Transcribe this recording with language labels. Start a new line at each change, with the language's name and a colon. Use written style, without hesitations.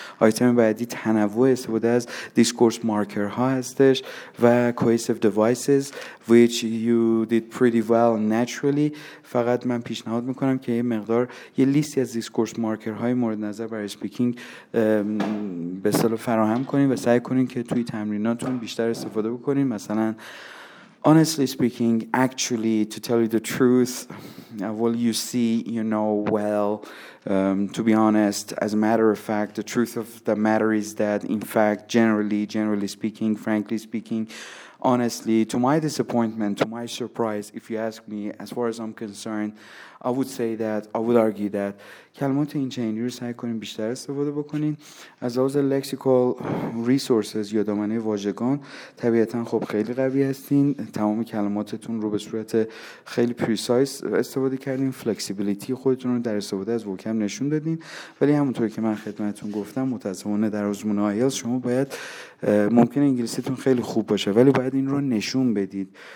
Persian: آیتم بعدی تنوع استفاده از دیسکورس مارکرها هستش و کوهسیو دیوایسز
English: which you did pretty well naturally.
Persian: فقط من پیشنهاد میکنم که یه مقدار یه لیستی از دیسکورس مارکرهای مورد نظر برای اسپیکینگ به اصطلاح فراهم کنین و سعی کنین که توی تمریناتون بیشتر استفاده بکنین.
English: مثلا honestly speaking, actually, to tell you the truth, well, you see, you know, well, to be honest, as a matter of fact, the truth of the matter is that, in fact, generally speaking, frankly speaking, honestly, to my disappointment, to my surprise, if you ask me, as far as I'm concerned, I would argue that
Persian: کلمات این چینی رو سعی کنین بیشتر استفاده بکنین. از لحاظ لکسیکال ریسورسز یا دامنه واژگان طبیعتاً خب خیلی قوی هستین، تمام کلماتتون رو به صورت خیلی پریسایز استفاده کردین، فلکسیبیلیتی خودتون رو در استفاده از وکم نشون دادین، ولی همونطوری که من خدمتتون گفتم متأسفانه در آزمون آیلتس شما باید ممکنه انگلیسیتون خیلی خوب باشه ولی باید این رو نشون بدید.